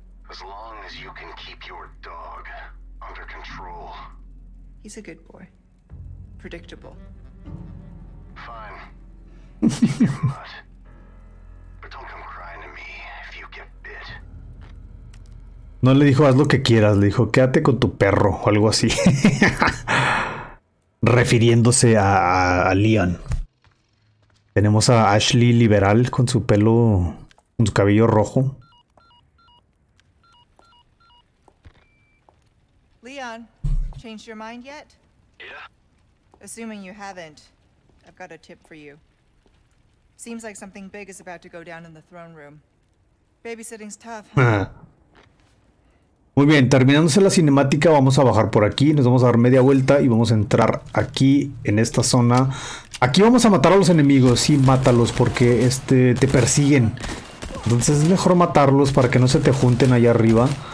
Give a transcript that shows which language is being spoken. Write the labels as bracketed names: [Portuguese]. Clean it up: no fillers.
[English] As long as you can keep your dog under control. He's a good boy. Predictable. Fine. But don't come crying to me if you get bit. [Spanish] No le dijo haz lo que quieras, le dijo quédate con tu perro o algo así. Refiriéndose a Leon. Tenemos a Ashley liberal con su pelo, con su cabello rojo. [English] Leon, changed your mind yet? Yeah. Assuming you haven't, I've got a tip for you. Seems like something big is about to go down in the throne room. Babysitting's tough, huh? [Spanish] Muy bien, terminándose la cinemática, vamos a bajar por aquí, nos vamos a dar media vuelta y vamos a entrar aquí en esta zona. Aquí vamos a matar a los enemigos, sí, mátalos porque te persiguen. Entonces es mejor matarlos para que no se te junten allá arriba.